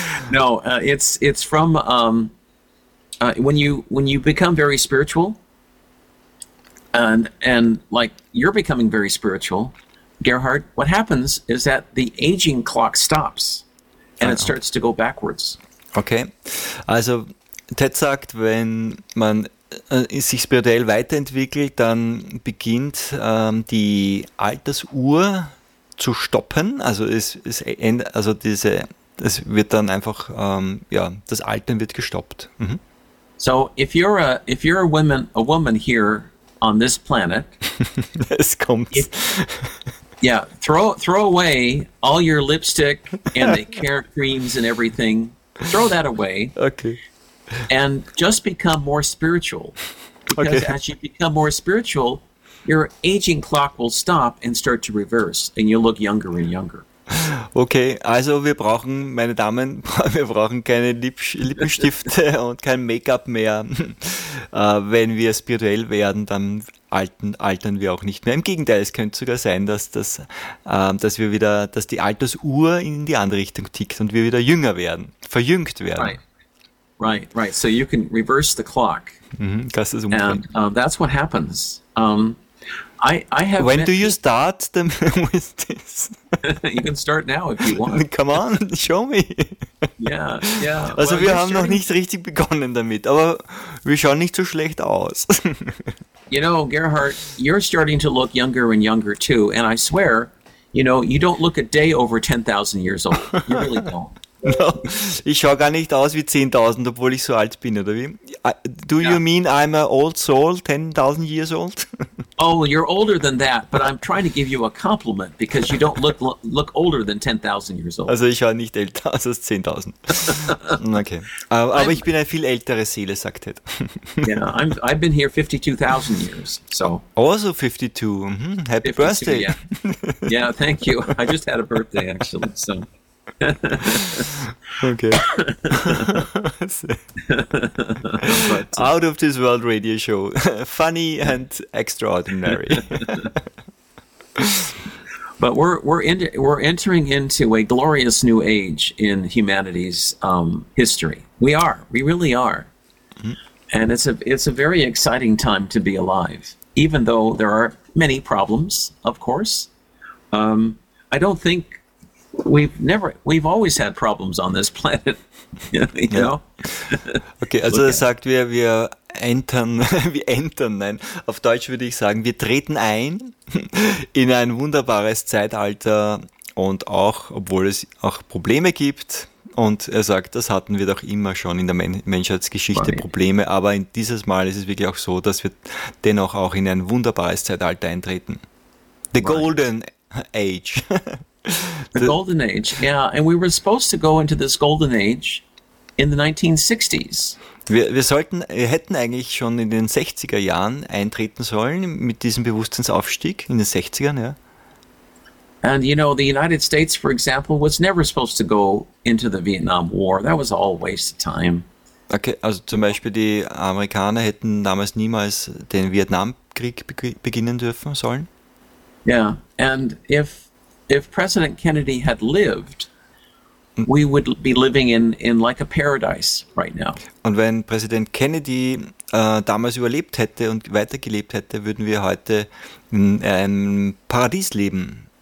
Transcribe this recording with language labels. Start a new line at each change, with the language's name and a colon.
English: No, it's from when you become very spiritual, and like you're becoming very spiritual, Gerhard, what happens is that the aging clock stops and it starts to go backwards. Okay.
German: Also Ted sagt, wenn man sich spirituell weiterentwickelt, dann beginnt die Altersuhr zu stoppen, also es wird dann einfach das Altern wird gestoppt. Mhm.
English: So if you're a woman here on this planet,
German: es kommt.
English: Yeah, throw away all your lipstick and the care creams and everything. Throw that away. Okay. And just become more spiritual. Because as you become more spiritual, your aging clock will stop and start to reverse and you'll look younger and younger.
German: Okay, also wir brauchen, meine Damen, wir brauchen keine Lippenstifte und kein Make-up mehr. Wenn wir spirituell werden, dann altern wir auch nicht mehr. Im Gegenteil, es könnte sogar sein, dass die Altersuhr in die andere Richtung tickt und wir wieder jünger werden, verjüngt werden.
English: Right. So you can reverse the clock.
German: Kannst es umdrehen.
English: And that's what happens. I have. When do you start them with this? You can start now if you want. Come on, show me. Yeah.
German: Also well, wir haben noch nicht richtig begonnen damit, aber wir schauen nicht so schlecht aus.
English: You know, Gerhard, you're starting to look younger and younger too, and I swear, you know, you don't look a day over 10,000 years old. You really don't.
German: No, ich schaue gar nicht aus wie 10.000, obwohl ich so alt bin, oder wie?
English: Do you mean I'm an old soul, 10.000 years old? Oh, you're older than that, but I'm trying to give you a compliment, because you don't look older than 10.000 years old.
German: Also ich schaue nicht älter aus als 10.000. Okay, aber ich bin eine viel ältere Seele, sagt Ted.
English: I've been here 52,000 years, so. Also 52, happy 52, birthday. Yeah, thank you, I just had a birthday actually, so. Okay. Out of this world radio show. Funny and extraordinary. But we're entering into a glorious new age in humanity's history. We are. We really are. And it's a very exciting time to be alive, even though there are many problems, of course. I don't think we've always had problems on this planet, you know?
German: Okay, also er sagt, wir entern, auf Deutsch würde ich sagen, wir treten ein in ein wunderbares Zeitalter und auch, obwohl es auch Probleme gibt. Und er sagt, das hatten wir doch immer schon in der Menschheitsgeschichte, Probleme, aber in dieses Mal ist es wirklich auch so, dass wir dennoch auch in ein wunderbares Zeitalter eintreten.
English: The Golden Age. The Golden Age, yeah, and we were supposed to go into this Golden Age in the 1960s.
German: Wir hätten eigentlich schon in den 60er Jahren eintreten sollen mit diesem Bewusstseinsaufstieg in den 60ern, ja.
English: And you know, the United States, for example, was never supposed to go into the Vietnam War. That was all a waste of time.
German: Okay, also zum Beispiel die Amerikaner hätten damals niemals den Vietnamkrieg beginnen dürfen sollen.
English: Yeah, and if President Kennedy had lived, we would be living in like a paradise right now.
German: Und wenn Präsident Kennedy damals überlebt hätte und weitergelebt hätte, würden wir heute in einem Paradies leben.